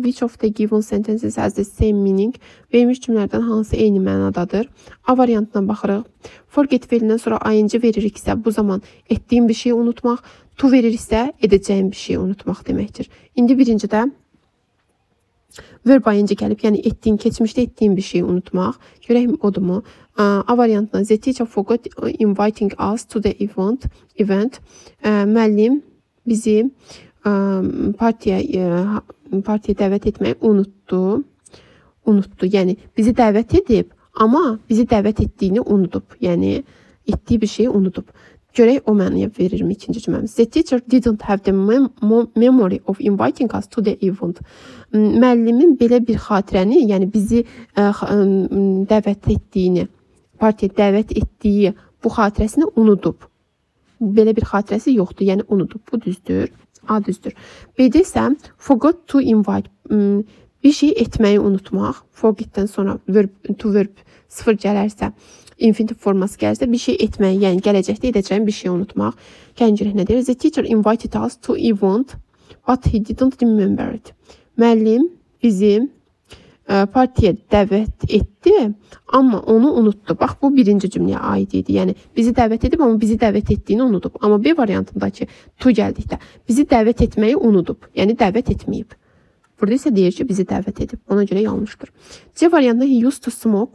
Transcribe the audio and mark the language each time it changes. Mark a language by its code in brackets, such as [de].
[en] Which of the given sentences has the same meaning? [az] Vermiş cümlərdən hansı eyni mənadadır? A variantına baxırıq. Forget verilən sonra ing veririk isə bu zaman etdiyim bir şeyi unutmaq. To verir isə edəcəyim bir şeyi unutmaq deməkdir. İndi birincidə verb ing gəlib, yəni etdiyin, keçmişdə etdiyin bir şeyi unutmaq. Görək, odumu. A variantına, [en] the teacher forgot inviting us to the event. [az] Müəllim bizi partiyaya partiyaya dəvət etməyi unutdu. Unutdu. Yəni bizi dəvət edib, amma bizi dəvət etdiyini unudub. Yəni etdiyi bir şeyi unudub. Görək o mənaya verir mi ikinci cümləmiz. [en] The teacher didn't have the memory of inviting us to the event. [az] Müəllimin belə bir xatirəni, yəni bizi dəvət etdiyini, partiyaya dəvət etdiyi bu xatirəsini unudub. Belə bir xatirəsi yoxdur, yəni unudub. Bu düzdür, A düzdür. B-də isə forgot to invite. Bir şey etməyi unutmaq. Forget-dən sonra verb, to verb sıfır gələrsə, infinitive forması gəlirsə, bir şey etməyi, yəni gələcəkdə edəcəyim bir şey unutmaq. Gəncirək nə deyir? [en] The teacher invited us to event, but he didn't remember it. [az] Müəllim bizi partiyə dəvət etdi, amma onu unutdu. Bax, bu birinci cümləyə aid idi. Yəni, bizi dəvət edib, amma bizi dəvət etdiyini unudub. Amma B variantındakı to gəldikdə, bizi dəvət etməyi unudub. Yəni, dəvət etməyib. Burada isə deyir ki, bizi dəvət edib. Ona görə yanlışdır. C variantında [en] he used to smoke.